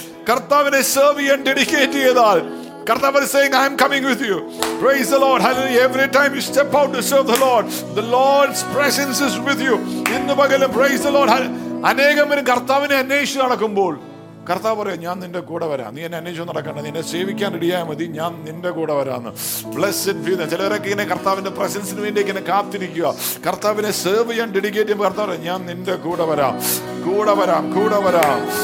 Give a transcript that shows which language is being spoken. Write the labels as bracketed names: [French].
[Malayalam] കർത്താവിനെ സെർവ് ചെയ്യാൻ ഡെഡിക്കേറ്റ് ചെയ്താൽ കർത്താവ് [English] saying, I am coming with you. Praise the Lord. Hallelujah. Every time you step out to serve the Lord's presence is with you. [Malayalam] ഇന്ന് പകലും [English] praise the Lord. [Malayalam] അനേകം കർത്താവിനെ അന്വേഷിച്ച് നടക്കുമ്പോൾ കർത്താവ് പറയാം, ഞാൻ നിന്റെ കൂടെ വരാം, നീ എന്നെ അന്വേഷിച്ച് നടക്കണ്ട, നിന്നെ സേവിക്കാൻ റെഡിയായ മതി, ഞാൻ നിന്റെ കൂടെ വരാന്ന്. Blessed B. ചിലരൊക്കെ ഇങ്ങനെ കർത്താവിന്റെ പ്രസൻസിന് വേണ്ടി ഇങ്ങനെ കാത്തിരിക്കുക, കർത്താവിനെ സേർവ് ചെയ്യാൻ ഡെഡിക്കേറ്റ് ചെയ്യുമ്പോൾ കർത്താവ് പറയാം, ഞാൻ നിന്റെ കൂടെ വരാം, കൂടെ വരാം, കൂടെ വരാം.